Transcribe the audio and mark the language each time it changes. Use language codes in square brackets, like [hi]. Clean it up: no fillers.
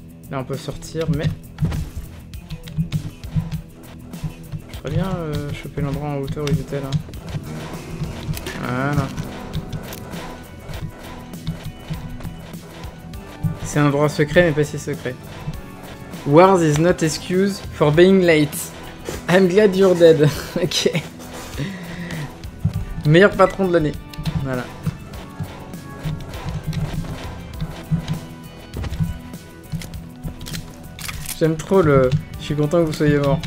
[fr] Là on peut sortir, mais... Je voudrais bien choper l'endroit en hauteur où il était là. Voilà. C'est un endroit secret, mais pas si secret. [en] Wars is not excuse for being late. I'm glad you're dead. Ok. [fr] Meilleur patron de l'année. Voilà. J'aime trop le... Je suis content que vous soyez mort.